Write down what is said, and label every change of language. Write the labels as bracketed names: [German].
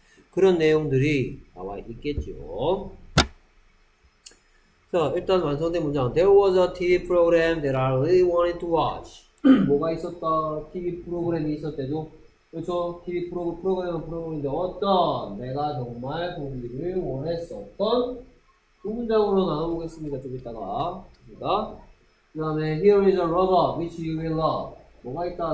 [Korean] 그런 내용들이 나와 있겠죠. 자, 일단 완성된 문장. [English] There was a TV program that I really wanted to watch. [Korean] 뭐가 있었다? TV 프로그램이 있었대죠? 그렇죠? TV 프로그램인데 어떤 내가 정말 보기를 원했었던 두 문장으로 나눠보겠습니다. 좀 이따가 그러니까. 그 다음에 [English] Here is a robot which you will love. [Korean] 뭐가 있다?